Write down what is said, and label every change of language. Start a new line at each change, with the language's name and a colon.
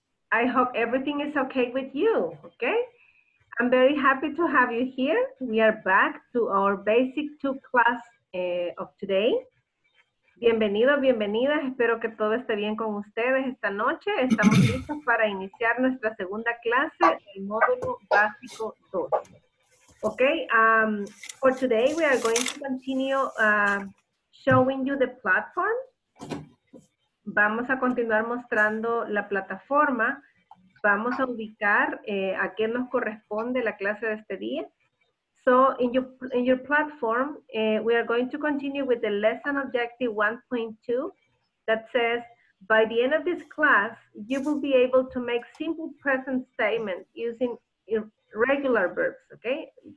English: I hope everything is okay with you, okay? I'm very happy to have you here. We are back to our basic two class of today.
Spanish: Bienvenidos, bienvenidas. Espero que todo esté bien con ustedes esta noche. Estamos listos para iniciar nuestra segunda clase, el módulo básico 2.
English: Okay, for today we are going to continue showing you the platform.
Spanish: Vamos a continuar mostrando la plataforma. Vamos a ubicar a quién nos corresponde la clase de este día.
English: So, in your platform, we are going to continue with the lesson objective 1.2 that says, by the end of this class, you will be able to make simple present statements using irregular verbs, okay?